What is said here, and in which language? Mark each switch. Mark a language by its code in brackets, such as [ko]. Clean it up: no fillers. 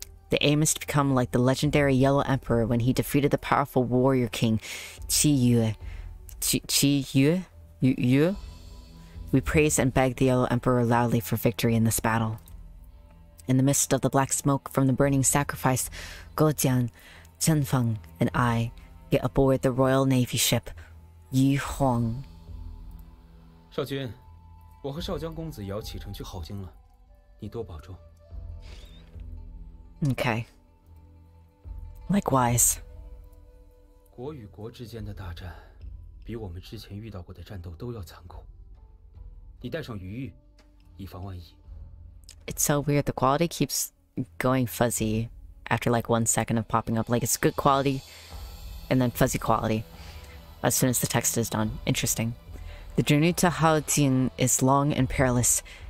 [en] The aim is to become like the legendary Yellow Emperor when he defeated the powerful warrior king, Qi Yue. We praise and beg the Yellow Emperor loudly for victory in this battle. In the midst of the black smoke from the burning sacrifice, Guo Jian, Chen Feng, and I get aboard the Royal Navy ship, Yu Hong. [zh] 少君, 我和少江公子也要启程去好京了, 你多保重。 [en] Okay. Likewise. [zh] 国与国之间的大战, 比我们之前遇到过的战斗都要残酷。你带上鱼玉, 以防万一。 [en] It's so weird, the quality keeps going fuzzy after like 1 second of popping up. Like, it's good quality and then fuzzy quality as soon as the text is done. Interesting. The journey to Haojing is long and perilous.